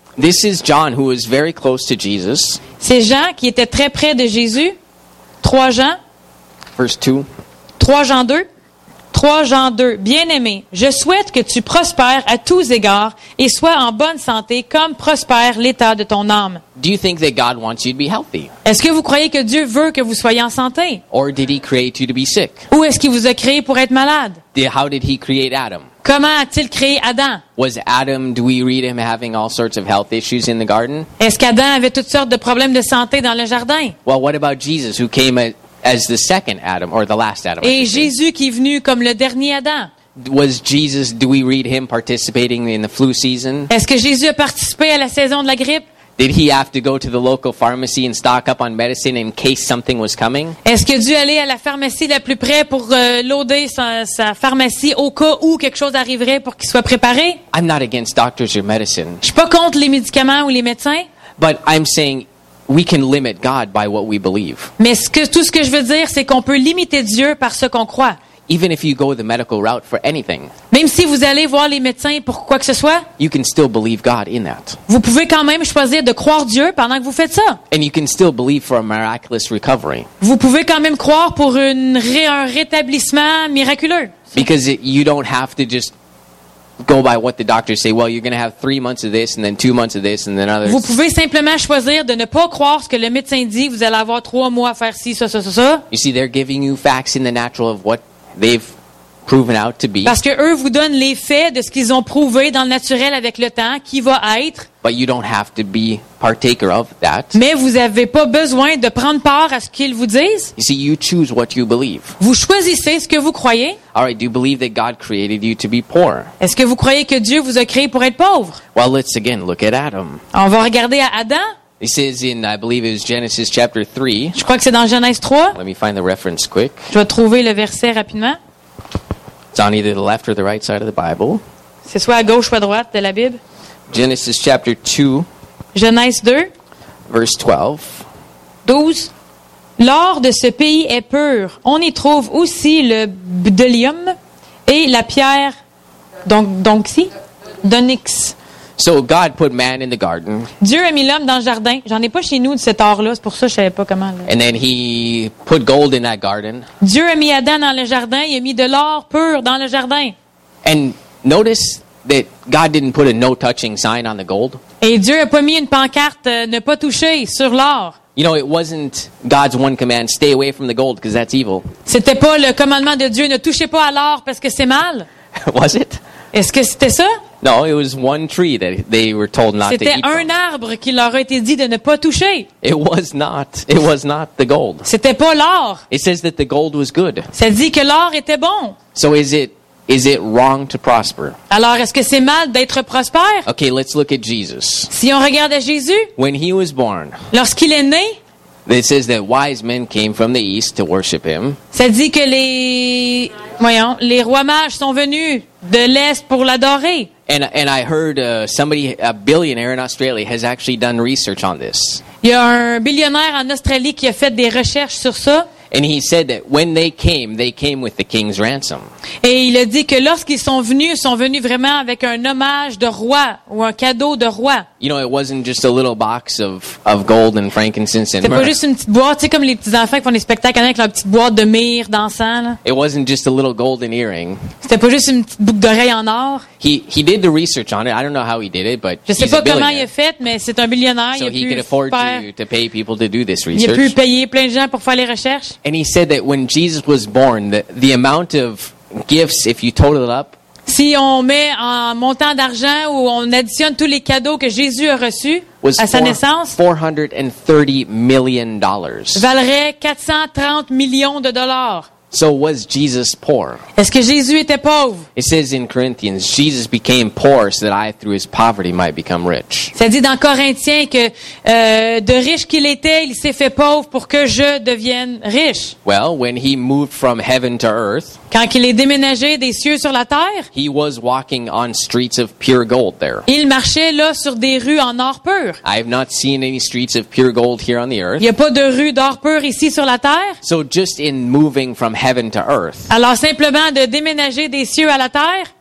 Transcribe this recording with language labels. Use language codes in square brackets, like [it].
[en] This is John who was very close to Jesus. [fr] C'est Jean qui était très près de Jésus. 3 Jean. [en] Verse 2. [fr] 3 Jean 2. 3 Jean 2. Bien-aimé, je souhaite que tu prospères à tous égards et sois en bonne santé comme prospère l'état de ton âme. [en] Do you think that God wants you to be healthy? [fr] Est-ce que vous croyez que Dieu veut que vous soyez en santé? [en] Or did he create you to be sick? [fr] Ou est-ce qu'il vous a créé pour être malade? [en] How did he create Adam? [fr] Comment a-t-il créé Adam? [en] Was Adam, do we read him having all sorts of health issues in the garden? [fr] Est-ce qu'Adam avait toutes sortes de problèmes de santé dans le jardin? [en] Well, what about Jesus who came as the second Adam or the last Adam? [fr] Et Jésus qui est venu comme le dernier Adam? [en] Was Jesus, do we read him participating in the flu season? [fr] Est-ce que Jésus a participé à la saison de la grippe? [en] Did he have to go to the local pharmacy and stock up on medicine in case something was coming? [fr] Est-ce qu'il a dû aller à la pharmacie la plus près pour loader sa pharmacie au cas où quelque chose arriverait pour qu'il soit préparé? [en] I'm not against doctors or medicine. [fr] Je suis pas contre les médicaments ou les médecins. [en] But I'm saying we can limit God by what we believe. [fr] Mais tout ce que je veux dire, c'est qu'on peut limiter Dieu par ce qu'on croit. [en] Even if you go the medical route for anything. [fr] Même si vous allez voir les médecins pour quoi que ce soit. [en] You can still believe God in that. [fr] Vous pouvez quand même choisir de croire Dieu pendant que vous faites ça. [en] And you can still believe for a miraculous recovery. [fr] Vous pouvez quand même croire pour un rétablissement miraculeux. [en] Because you don't have to just go by what the doctors say. Well, you're going to have 3 months of this, and then 2 months of this, and then others. [fr] Vous pouvez simplement choisir de ne pas croire ce que le médecin dit. Vous allez avoir 3 mois à faire ci, ça, ça, ça, ça. [en] You see, they're giving you facts in the natural of what they've proven out to be. [fr] Parce que eux vous donnent les faits de ce qu'ils ont prouvé dans le naturel avec le temps qui va être. [en] But you don't have to be partaker of that. [fr] Mais vous n'avez pas besoin de prendre part à ce qu'ils vous disent. [en] You see, you choose what you believe. [fr] Vous choisissez ce que vous croyez. [en] All right, do you believe that God created you to be poor? [fr] Est-ce que vous croyez que Dieu vous a créé pour être pauvre? [en] Well, let's again look at Adam. [fr] On va regarder à Adam. [en] He says in, I believe it was Genesis chapter 3. [fr] Je crois que c'est dans Genèse 3. [en] Let me find the reference quick. [fr] Je vais trouver le verset rapidement. [en] It's on either the left or the right side of the Bible. [fr] C'est soit à gauche ou à droite de la Bible. [en] Genesis chapter 2. [fr] Genèse 2. [en] Verse 12. [fr] 12. L'or de ce pays est pur. On y trouve aussi le bdellium et la pierre d'onyx. [en] So God put man in the garden. [fr] Dieu a mis l'homme dans le jardin. J'en ai pas chez nous de cet or-là. C'est pour ça que je savais pas comment. Là. [en] And then he put gold in that garden. [fr] Dieu a mis Adam dans le jardin. Il a mis de l'or pur dans le jardin. [en] And notice that God didn't put a no-touching sign on the gold. [fr] Et Dieu a pas mis une pancarte ne pas toucher sur l'or. [en] You know, it wasn't God's one command, stay away from the gold, because that's evil. [fr] C'était pas le commandement de Dieu, ne touchez pas à l'or parce que c'est mal. [en] Was it? [fr] Est-ce que c'était ça? [en] No, it was one tree that they were told not [fr] c'était [en] to eat. [fr] C'était un arbre qui leur a été dit de ne pas toucher. [en] It was not the gold. [fr] C'était pas l'or. [en] It says that the gold was good. [fr] Ça dit que l'or était bon. [en] So is it wrong to prosper? [fr] Alors est-ce que c'est mal d'être prospère? [en] Okay, let's look at Jesus. [fr] Si on regarde à Jésus. [en] When he was born. [fr] Lorsqu'il est né. [en] It says that wise men came from the east to worship him. [fr] Ça dit que les rois mages sont venus de l'est pour l'adorer. [en] And I heard somebody, a billionaire in Australia, has actually done research on this. [fr] Il y a un billionnaire en Australie qui a fait des recherches sur ça. [en] And he said that when they came with the king's ransom. [fr] Et il a dit que lorsqu'ils sont venus vraiment avec un hommage de roi ou un cadeau de roi. [en] You know, it wasn't just a little box of gold and frankincense and myrrh. [fr] C'était pas juste une petite boîte, tu sais, comme les petits enfants qui font des spectacles avec leur petite boîte de myrrhe d'encens. Là. [en] It wasn't just a little golden earring. [fr] C'était pas juste une petite boucle d'oreille en or. [en] He did the research on it. I don't know how he did it, but [fr] je sais pas comment il a fait, mais c'est un millionnaire. [en] So [fr] il [en] he could afford to pay people to do this research. [fr] Il a pu payer plein de gens pour faire les recherches. [en] And he said that when Jesus was born, the amount of gifts, if you total it up, [fr] si on met en montant d'argent ou on additionne tous les cadeaux que Jésus a reçus à sa naissance, [en] $430 million [fr] valerait 430 millions de dollars. [en] So was Jesus poor? [fr] Est-ce que Jésus était pauvre? [en] It says in Corinthians, Jesus became poor so that I, through his poverty, might become rich. [fr] Ça dit dans Corinthiens que de riche qu'il était, il s'est fait pauvre pour que je devienne riche. [en] Well, when he moved from heaven to earth, [fr] quand il est déménagé des cieux sur la terre, [en] he was walking on streets of pure gold there. [fr] Il marchait là sur des rues en or pur. [en] I have not seen any streets of pure gold here on the earth. [fr] Il n'y a pas de rue d'or pur ici sur la terre. [en] So just in moving from heaven to earth. [fr] Alors simplement de déménager des cieux à la terre.